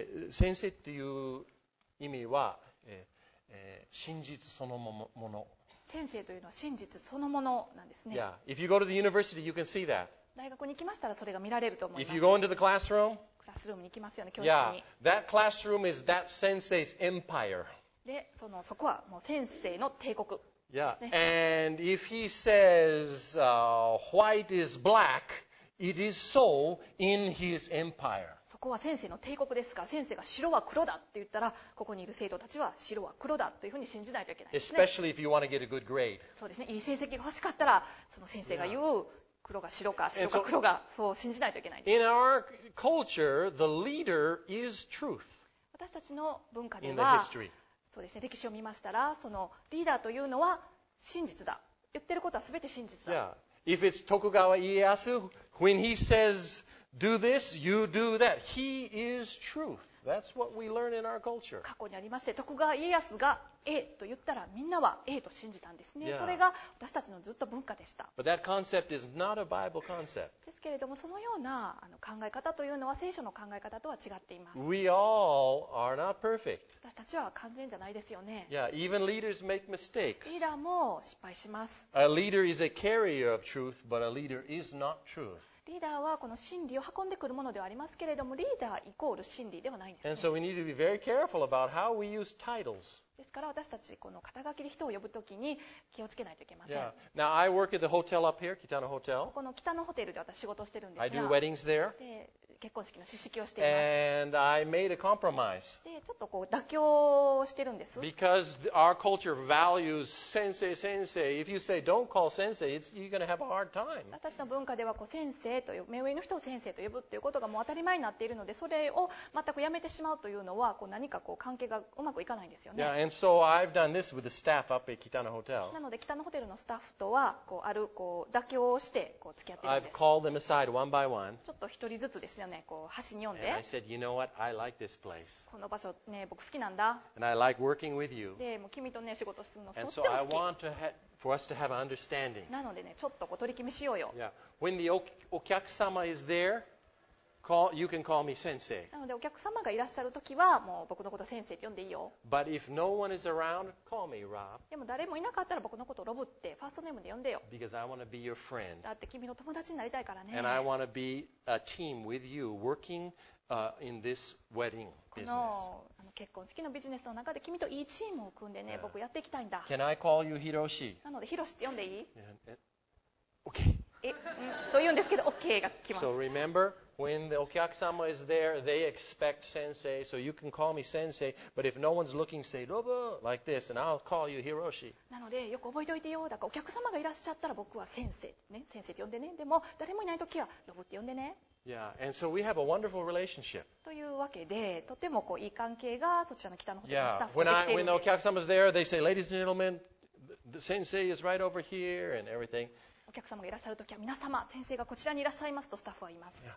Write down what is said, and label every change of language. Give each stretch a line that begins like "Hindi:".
Japanese: 先生っていう意味は、真実そのもの先生というのは真実そのものなんですね
English: Yeah. If you go to the university, you can see that.
Japanese: 大学に行きましたらそれが見られると思います
English: If you go into the classroom,
Japanese: クラスルームに行きますよね教室に
English: Yeah. That classroom is that sensei's empire.
Japanese: でそこはもう先生の帝国
English: Yeah, and if he says, white is black, it is so in his empire.
Japanese: そこは先生の帝国ですから、先生が白は黒だって言ったら、ここにいる生徒たちは白は黒だというふうに信じないといけないですね。
English: Especially if you want to get a good grade.
Japanese: そうですね。いい成績が欲しかったら、その先生が言う黒が白か、白か黒が、そう信じないといけないです。
English: In our culture, the leader is truth.
Japanese: 私たちの文化では、そうですね、歴史を見ましたら、そのリーダーというのは真実だ。言ってることは全て真実だ。
English: Yeah. If it's 徳川家康、when he says, do this, you do that. He is truth. That's what we learn in our culture.
Japanese: 過去にありまして、徳川家康が A と言ったら、みんなは A と信じたんですね。
English: Yeah.
Japanese: それが私たちのずっと文化でした。
English: But that concept is not a Bible concept.
Japanese: ですけれども、そのような考え方というのは、聖書の考え方とは違っています。
English: We all are not perfect.
Japanese: 私たちは完全じゃないですよね。
English: Yeah, even leaders make mistakes.
Japanese: リーダーも失敗します。
English: A leader is a carrier of truth, but a leader is not truth.
Japanese: リーダーはこの真理を運んでくるものではありますけれども、リーダーイコール真理ではないんですね。
English: And so we need to be very careful about how we use titles.
Japanese: ですから私たちこの肩書きで人を呼ぶときに気をつけないといけません。
English: Yeah. Now I work at the hotel up here, 北のホテル。
Japanese: ここの北のホテルで私仕事をしてるんですが。
English: I do weddings there.
Japanese: で結婚式の司式をしています。
English: And I made a compromise.
Japanese: でちょっとこう妥協してるんです。
English: Because our culture values 先生先生。 If you say don't call 先生, you're going to have a hard time.
Japanese: 私たちの文化ではこう先生と目上の人を先生と呼ぶっていうことがもう当たり前になっているので、それを全くやめてしまうというのはこう何かこう関係がうまくいかないんですよね。
English: Yeah, So I've done this with the staff up at Kitano Hotel.
Japanese: なので北のホテルのスタッフとはこうあるこう妥協をしてこう付き合っているんです。
English: I've called them aside one by one.
Japanese: ちょっと一人ずつですよね。こう端に呼んで。
English: And I said, you know what? I like this place.
Japanese: この場所ね、僕好きなんだ。
English: And I like working with you.
Japanese: で、もう君とね、仕事するのすごく好き。
English: And so I want to have for us to have an understanding.
Japanese: なのでね、ちょっとこう取り決めしようよ。
English: Yeah. When the お客様 is there. You can call me 先生。
Japanese: なのでお客様がいらっしゃるときはもう僕のこと先生って呼んでいいよ。
English: But if no one is around, call me Rob.
Japanese: でも誰もいなかったら僕のことロブってファーストネームで呼んでよ。
English: Because I want to be your friend.
Japanese: だって君の友達になりたいからね。
English: And I want to be a team with you working, in this wedding business.
Japanese: この結婚式のビジネスの中で君といいチームを組んでね、僕やっていきたいんだ。
English: Can I call you Hiroshi?
Japanese: なのでヒロシって呼んでいい
English: ？Okay.
Japanese: というんですけど OK が来ます。
English: So remember. When the okyakusama is there, they expect sensei. So you can call me sensei. But if no one's looking, say Robo like this, and I'll call you Hiroshi.
Japanese: なのでよく覚えておいてよ。だからお客様がいらっしゃったら僕は先生ね、先生って呼んでね。でも誰もいないときはロボって呼んでね。
English: Yeah, and so we have a wonderful relationship.
Japanese: というわけで、とてもこういい関係がそちらの北の方でスタッフとできているんです。
English: Yeah, when the okyakusama is there, they say, ladies and gentlemen, the sensei is right over here and everything.
Japanese: お客様がいらっしゃるときは皆様、先生がこちらにいらっしゃいますとスタッフは言います。